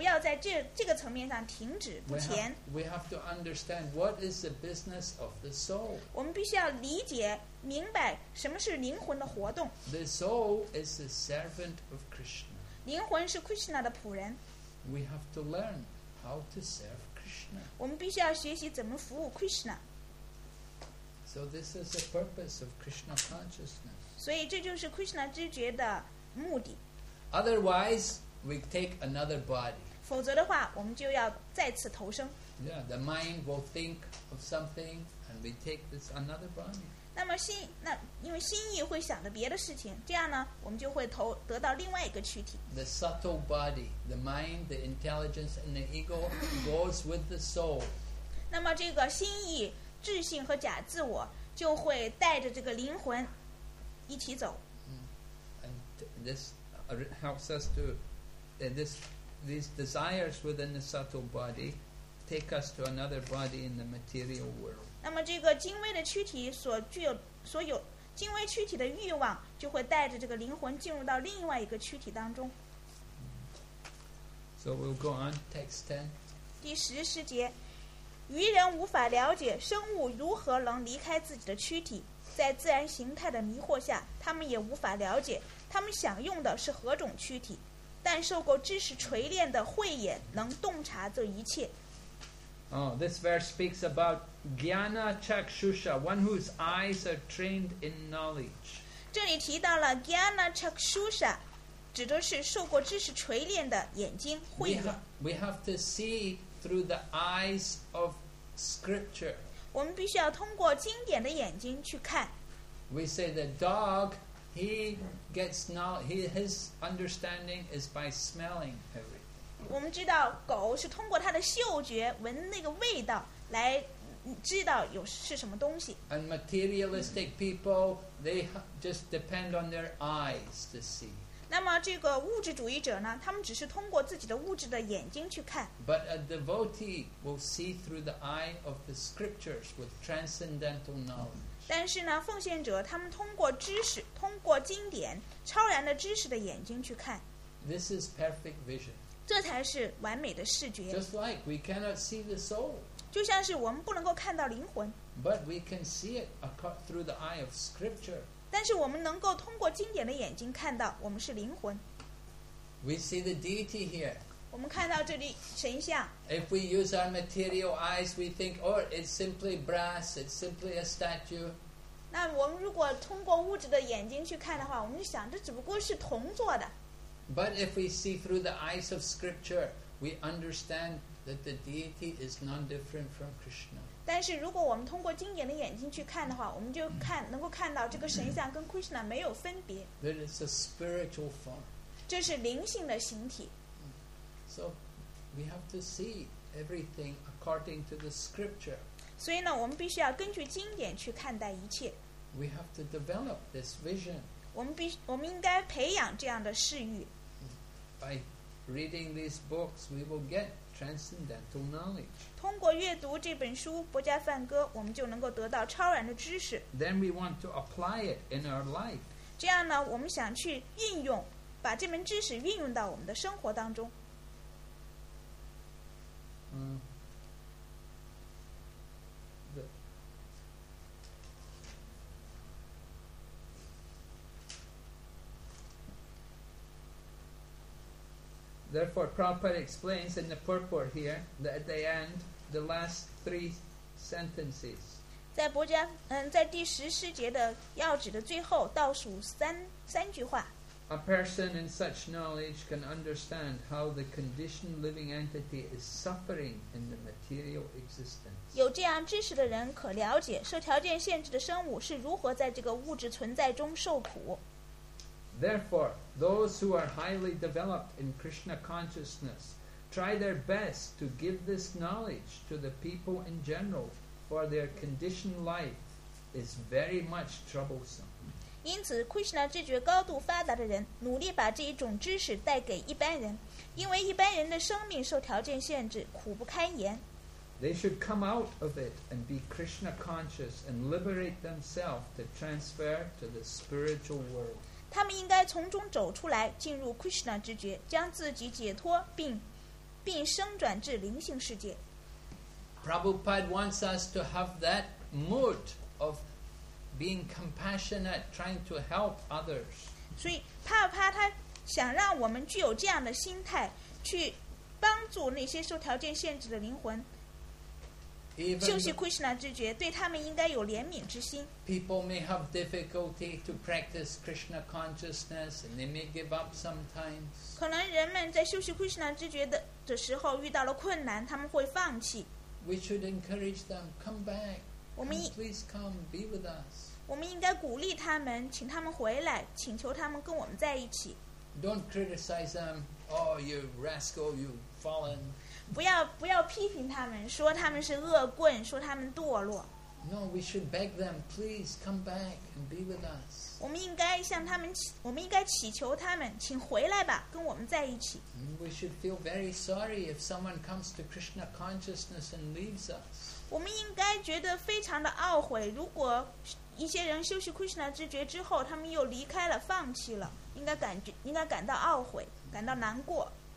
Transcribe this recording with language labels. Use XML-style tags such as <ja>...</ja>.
<zh>但是呢，不仅仅是这些，不要在这个层面上停止不前。</zh> <en>We have to understand what is the business of the soul.</en> <zh>我们必须要理解。明白什么是灵魂的活动。</zh> <en>The soul is the servant of Krishna.</en> <zh>灵魂是Krishna的仆人。</zh> <en>We have to learn how to serve Krishna.</en> <zh>我们必须要学习怎么服务Krishna。</zh> <en>So this is the purpose of Krishna consciousness.</en> <zh>所以这就是Krishna知觉的目的。</zh> <en>Otherwise, we take another body.</en> <zh>否则的话我们就要再次投生。</zh> <en>Yeah, the mind will think of something and we take this another body.</en> <zh>那么心，那因为心意会想着别的事情，这样呢我们就会投得到另外一个躯体。</zh> <en>The subtle body, the mind, the intelligence and the ego goes with the soul.</en> <zh>那么这个心意、智性和假自我就会带着这个灵魂一起走。</zh> <en>And this helps us to these desires within the subtle body take us to another body in the material world.</en> <zh>那么这个精微的躯体所具有所有精微躯体的欲望就会带着这个灵魂进入到另外一个躯体当中。</zh> <en>So we'll go on, text 10.</en> <zh>第十十节，愚人无法了解生物如何能离开自己的躯体，在自然形态的迷惑下，他们也无法了解他们享用的是何种躯体，但受过知识锤炼的慧眼能洞察这一切。</zh> <en>Oh, this verse speaks about Jnana Chakshusha, one whose eyes are trained in knowledge.</en> <zh>这里提到了 Jnana Chakshusha, 指的是受过知识锤炼的眼睛慧眼。</zh> <en>We have to see through the eyes of scripture.</en> <zh>我们必须要通过经典的眼睛去看。</zh> <en>We say the dog,He gets now. He his understanding is by smelling everything.</en> <zh>我们知道狗是通过它的嗅觉闻那个味道来知道有是什么东西。</zh> <en>And materialistic people, they just depend on their eyes to see.</en> <zh>那么这个物质主义者呢？他们只是通过自己的物质的眼睛去看。</zh> <en>But a devotee will see through the eye of the scriptures with transcendental knowledge.</en> <zh>但是呢，奉献者他们通过知识，通过经典超然的知识的眼睛去看。</zh> <en>This is perfect vision.</en> <zh>这才是完美的视觉。</zh> <en>Just like we cannot see the soul.</en> <zh>就像是我们不能够看到灵魂。</zh> <en>But we can see it through the eye of scripture.</en> <zh>但是我们能够通过经典的眼睛看到我们是灵魂。</zh> <en>We see the deity here.</en> <zh>我们看到这里神像。</zh> <en>If we use our material eyes, we think, oh, it's simply brass, it's simply a statue.</en> <zh>那我们如果通过物质的眼睛去看的话，我们就想这只不过是铜做的。</zh> <en>But if we see through the eyes of scripture, we understand that the deity is none different from Krishna.</en> <zh>但是如果我们通过经典的眼睛去看的话，我们就看能够看到这个神像跟 Krishna 没有分别。</zh> <en>That it's a spiritual form.</en> <zh>这是灵性的形体。</zh> <en>So we have to see everything according to the scripture.</en> <zh>所以呢，我们必须要根据经典去看待一切。</zh> <en>We have to develop this vision.</en> <zh>我们应该培养这样的视域。</zh> <en>By reading these books, we will get transcendental knowledge.</en> <zh>通过阅读这本书《薄伽梵歌》，我们就能够得到超然的知识。</zh> <en>Then we want to apply it in our life.</en> <zh>这样呢，我们想去运用，把这门知识运用到我们的生活当中。</zh> <en>Therefore, Prabhupada explains in the purport here that at the end, the last three sentences.</en> <zh>在薄伽在第十世节的要旨的最后倒数三句话。</zh> <en>A person in such knowledge can understand how the conditioned living entity is suffering in the material existence.</en> <zh>有这样知识的人可了解受条件限制的生物是如何在这个物质存在中受苦。</zh> <en>Therefore, those who are highly developed in Krishna consciousness try their best to give this knowledge to the people in general, for their conditioned life is very much troublesome.</en> <zh>因此 Krishna 知觉高度发达的人努力把这一种知识带给一般人，因为一般人的生命受条件限制，苦不堪言。</zh> <en>They should come out of it and be Krishna conscious and liberate themselves to transfer to the spiritual world.</en> <zh>他们应该从中走出来，进入 Krishna 知觉，将自己解脱并升转至灵性世界。</zh> <en>Prabhupada wants us to have that mood ofBeing compassionate, trying to help others.</en> <zh>所以帕帕他想让我们具有这样的心态，去帮助那些受条件限制的灵魂。就是 Krishna 知觉，对他们应该有怜悯之心。</zh> <en>People may have difficulty to practice Krishna consciousness, and they may give up sometimes.</en> <zh>可能人们在修习 Krishna 知觉的的时候遇到了困难，他们会放弃。</zh> <en>We should encourage them, come back. Come, please come, be with us.</en> <zh>我们应该鼓励他们，请他们回来，请求他们跟我们在一起。</zh> <en>Don't criticize them. Oh, you rascal, you fallen.</en> <zh>不要批评他们，说他们是恶棍，说他们堕落。</zh> <en>No, we should beg them, please come back and be with us.</en> <zh>我们应该祈求他们，请回来吧，跟我们在一起。</zh> <en>We should feel very sorry if someone comes to Krishna consciousness and leaves us.</en> <zh>我们应该觉得非常的懊悔，如果一些人修习 Krishna 知觉之后，他们又离开了，放弃了，应该感到懊悔，感到难过。</zh>